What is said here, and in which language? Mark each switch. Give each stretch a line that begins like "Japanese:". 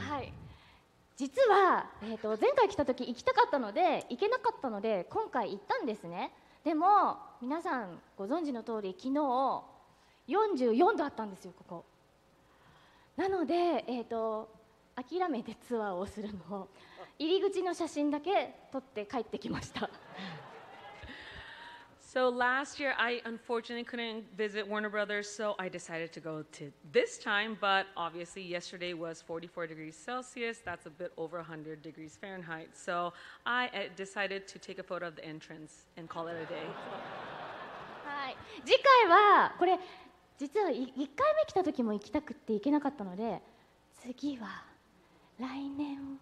Japanese: はい、実は、前回来た時行きたかったので行けなかったので今回行ったんですね。でも皆さんご存知の通り昨日44度あったんですよ、ここ。なので、諦めてツアーをするのを入り口の写真だけ撮って帰ってきました。
English: So last year, I unfortunately couldn't visit Warner Brothers, so I decided to go to this time, but obviously yesterday was 44 degrees Celsius, that's a bit over 100 degrees Fahrenheit, so I decided to take a photo of the entrance and call it a day.
Japanese: はい、次回はこれ、実は1回目来た時も行きたくって行けなかったので、次は来年。